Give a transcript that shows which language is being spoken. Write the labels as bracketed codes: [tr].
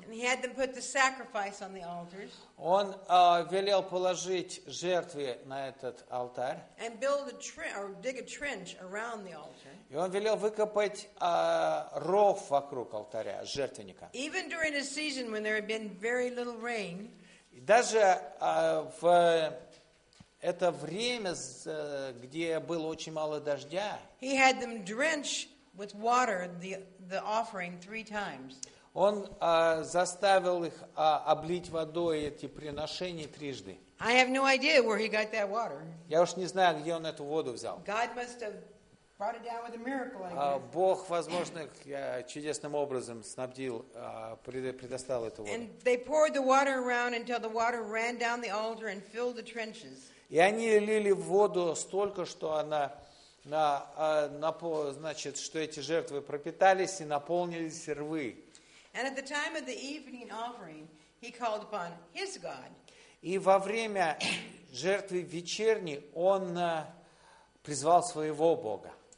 [ru] Он велел положить жертвы на этот алтарь. [en] And build a or dig a trench around the altar. [ru] И он велел выкопать ров вокруг алтаря, жертвенника. [en] Even during a season when there had been very little rain. [ru] Даже в это время, где было очень мало дождя. [en] He had them drench with water the offering 3 times. [ru] Он заставил их облить водой эти приношения трижды. [en] I have no idea where he got that water. [ru] Я уж не знаю, где он эту воду взял. [en] God must have brought it down with a miracle. [ru] Бог, возможно, чудесным образом снабдил, предоставил эту воду. [en] And they poured the water around until the water ran down the altar and filled the trenches. [ru] И они лили воду столько, что она значит, что эти жертвы пропитались и наполнились рвы. [en] And at the time of the evening offering, he called upon his God. [ru] И во время жертвы вечерней он призвал своего Бога.